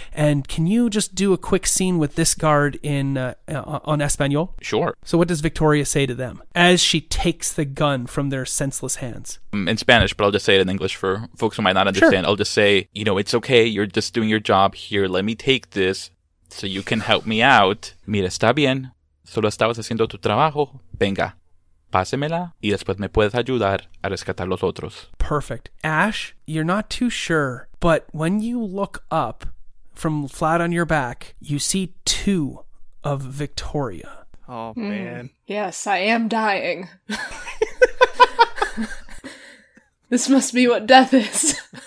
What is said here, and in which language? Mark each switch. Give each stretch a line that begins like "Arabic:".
English: And can you just do a quick scene with this guard on Espanol? Sure. So what does Victoria say to them as she takes the gun from their senseless hands? In Spanish, but I'll just say it in English for folks who might not understand. Sure. I'll just say, you know, it's okay, you're just doing your job here, let me take this so you can help me out.
Spanish: Mira, está bien, solo estabas haciendo tu trabajo, venga. Pásemela, y después me puedes ayudar a rescatar los otros.
English: Perfect. Ash, you're not too sure, but when you look up from flat on your back, you see two of Victoria. Oh, man. Yes, I am dying. This must be what death is.